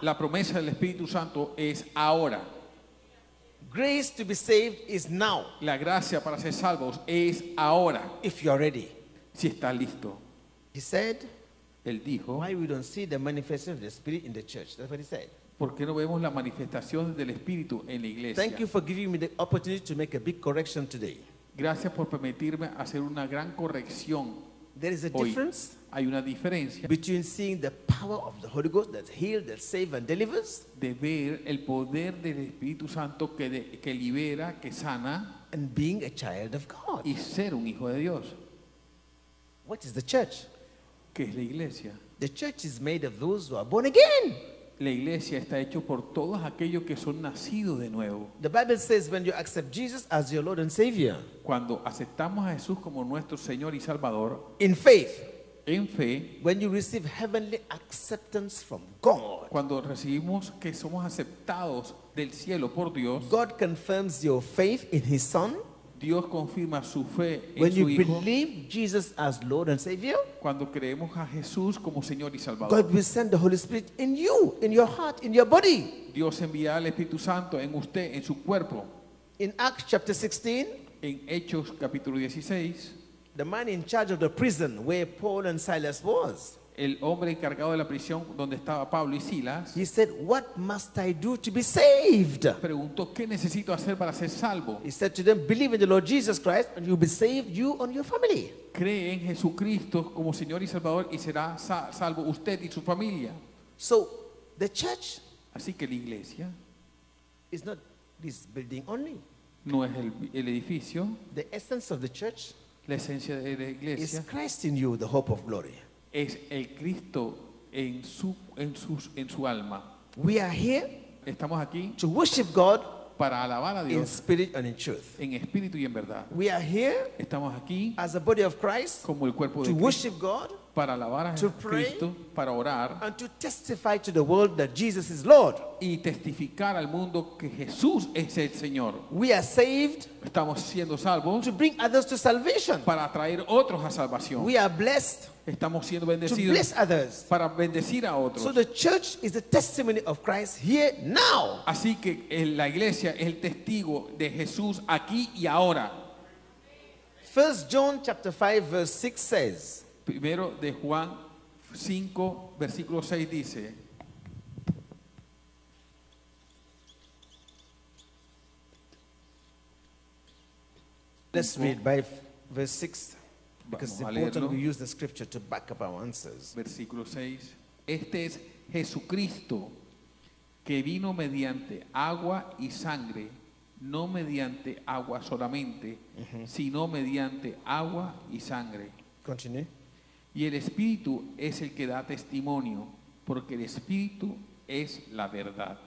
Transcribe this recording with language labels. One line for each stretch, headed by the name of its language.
Spanish: La promesa del Espíritu Santo es ahora.
English: Grace to be saved is now.
Spanish: La gracia para ser salvos es ahora.
English: If you are ready.
Spanish: Si estás listo.
English: He said.
Spanish: Él dijo.
English: Why we don't see the manifestation of the Spirit in the church? That's what he said.
Spanish: ¿Por qué no vemos la manifestación del Espíritu en la iglesia?
English: Thank you for giving me the opportunity to make a big correction today.
Spanish: Gracias por permitirme hacer una gran corrección.
English: There is a
Spanish: hoy.
English: Difference.
Spanish: Hay una diferencia.
English: Between seeing the power of the Holy Ghost that heals, that saves and delivers.
Spanish: De ver el poder del Espíritu Santo que libera, que sana.
English: And being a child of God.
Spanish: Y ser un hijo de Dios.
English: What is the church?
Spanish: ¿Qué es la iglesia?
English: The church is made of those who are born again.
Spanish: La iglesia está hecha por todos aquellos que son nacidos de nuevo.
English: The Bible says when you accept Jesus as your Lord and Savior.
Spanish: Cuando aceptamos a Jesús como nuestro Señor y Salvador.
English: In faith.
Spanish: En fe.
English: When you receive heavenly acceptance from God.
Spanish: Cuando recibimos que somos aceptados del cielo por Dios.
English: God confirms your faith in his Son.
Spanish: Dios confirma su fe en
English: when
Spanish: su
English: you
Spanish: Hijo.
English: Believe Jesus as Lord and Savior,
Spanish: cuando creemos a Jesús como Señor y Salvador,
English: God will send the Holy Spirit in you, in your heart, in your body.
Spanish: Dios envía al Espíritu Santo en usted, en su cuerpo.
English: In Acts chapter 16,
Spanish: en Hechos capítulo 16,
English: the man in charge of the prison where Paul and Silas was,
Spanish: el hombre encargado de la prisión donde estaba Pablo y Silas,
English: he said, what must I do to be saved?
Spanish: Preguntó, ¿qué necesito hacer para ser salvo?
English: He said to them, believe in the Lord Jesus Christ and you'll be saved, you and your family.
Spanish: Cree en Jesucristo como Señor y Salvador y será salvo usted y su familia.
English: So, the church,
Spanish: así que la iglesia,
English: is not this building only.
Spanish: No es el edificio.
English: The essence of the church,
Spanish: la esencia de la iglesia,
English: is Christ in you, the hope of glory.
Spanish: Es el Cristo en su alma.
English: We are here.
Spanish: Estamos aquí.
English: To worship God.
Spanish: Para alabar a Dios.
English: In spirit and in truth.
Spanish: En espíritu y en verdad.
English: We are here.
Spanish: Estamos aquí.
English: As the body of Christ.
Spanish: Como el cuerpo de
English: Cristo. To worship God.
Spanish: para alabar a Cristo, para orar,
English: and to testify to the world that Jesus is Lord.
Spanish: Y testificar al mundo que Jesús es el Señor.
English: We are saved.
Spanish: Estamos siendo salvos.
English: To bring others to salvation.
Spanish: Para atraer otros a salvación.
English: We are blessed.
Spanish: Estamos siendo bendecidos.
English: To bless others.
Spanish: Para bendecir a otros.
English: So the church is the testimony of Christ here now.
Spanish: Así que la iglesia es el testigo de Jesús aquí y ahora.
English: 1 John chapter 5 verse 6 says.
Spanish: Primero de Juan 5 versículo 6 dice.
English: Let's read by verse 6 because it's important we use the scripture to back up our answers.
Spanish: Versículo 6. Este es Jesucristo que vino mediante agua y sangre. No mediante agua solamente, sino mediante agua y sangre.
English: Continue.
Spanish: Y el Espíritu es el que da testimonio, porque el Espíritu es la verdad.